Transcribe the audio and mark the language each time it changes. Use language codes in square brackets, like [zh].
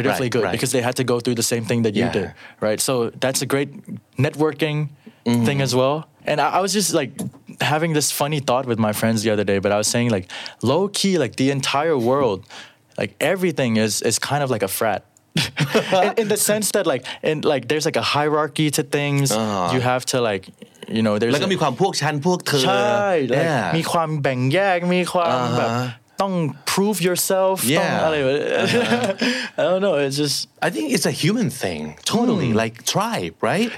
[en] They're definitely good because they had to go through the same thing that you did, right? So that's a great networking thing as well. And I was just like having this funny thought with my friends the other day, but I was saying like low key, like the entire world, like everything is kind of like a frat. in the sense that like, and like there's like a hierarchy to things. You have to like... You know, [th] แล้วก็มีความพวกฉันพวกเธอ ใช่ มีความแบ่งแยกมีความ แบบต้อง prove yourself ต้องอะไร [en] I don't know it's just I think it's a human thing totally like tribe right